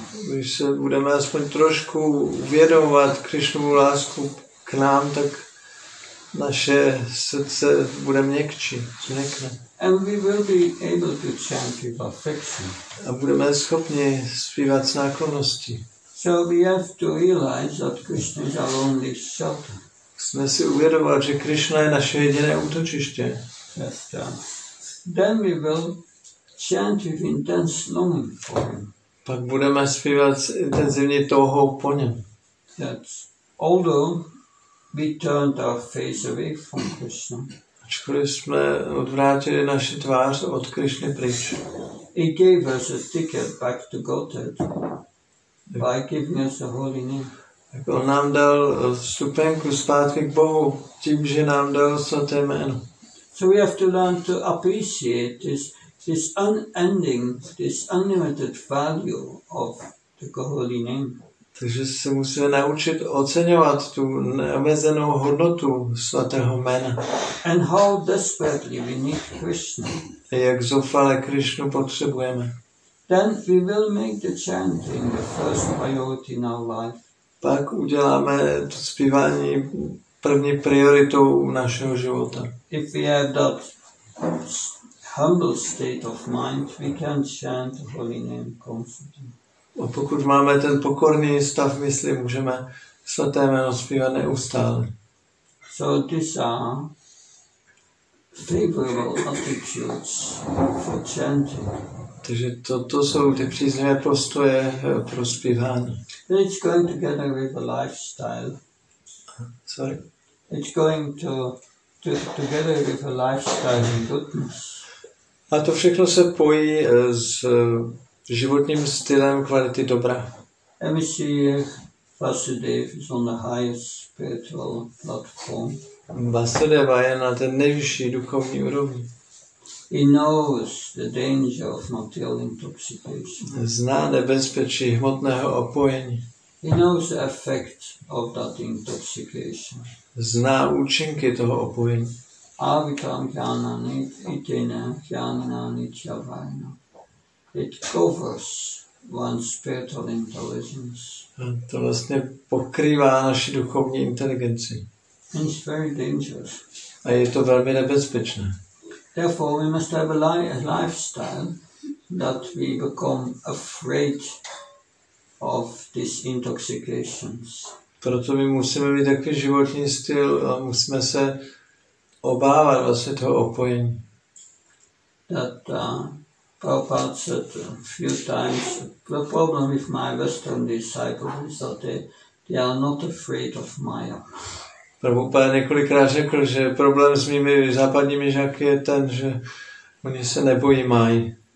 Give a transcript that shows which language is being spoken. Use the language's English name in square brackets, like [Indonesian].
[Czech] Když se budeme aspoň trošku uvědomovat Krishnovu lásku k nám, tak naše srdce bude měkčí, změkne. [English] And we will be able to chant with affection. [Czech] A budeme schopni zpívat s náklonností. [English] So we have to realize that Krishna is our only shelter. [Czech] Jsme si uvědomovat, že Krishna je naše jediné útočiště. [English] Yes, then we will chant with intense longing for him. [Czech] Pak budeme zpívat s intenzivní touhou po něm. [English] That's although we turned our face away from Krishna. [Czech] Ačkoliv jsme odvrátili naši tvář od Krishny pryč. [English] He gave us a ticket back to Godhead by giving us a holy name. [Czech] On nám dal vstupenku zpátky k Bohu tím, že nám dal svaté jméno. [English] So we have to learn to appreciate this unending, this unlimited value of the holy name. [Czech] Takže se musíme naučit oceňovat tu neomezenou hodnotu svatého jména. [English] And how desperately we need Krishna. [Czech] A jak zoufale Krishnu potřebujeme. [English] Then we will make the chanting the first priority in our life. [Czech] Pak uděláme to zpívání první prioritou našeho života. [English] If we have that humble state of mind, we can chant the holy name comfortably. [Czech] A pokud máme ten pokorný stav mysli, můžeme svaté jméno zpívat neustále. [English] So these are favorable attitudes for chanting. [Czech] Takže to jsou ty příznivé postoje pro zpívání. [English] It's going together with the lifestyle. Sorry? It's going to together with the lifestyle and goodness. [Czech] A to všechno se pojí s životním stylem kvality dobra. [English] And we see Vasudeva is on the highest spiritual platform. [Czech] Vasudeva je na té nejvyšší duchovní úrovni. [English] He knows the danger of material intoxication. [Czech] Zná nebezpečí hmotného opojení. [English] He knows the effect of that intoxication. [Czech] Zná účinky toho opojení. Avikam jnanani itena jnanani chavaina. [English] It covers one's spiritual intelligence. [Czech] A to vlastně pokrývá naši duchovní inteligenci. [English] And it's very dangerous. [Czech] A je to velmi nebezpečné. [English] Therefore, we must have a lifestyle that we become afraid of these intoxications. [Czech] Proto my musíme mít takový životní styl a musíme se obávat vlastně toho opojení. [English] That Prabhupada said a few times, the problem with my Western disciples is that they are not afraid of Maya. [Czech] Prabhupada několikrát řekl, že problém s mými západními žáky je ten, že oni se nebojí Mayy.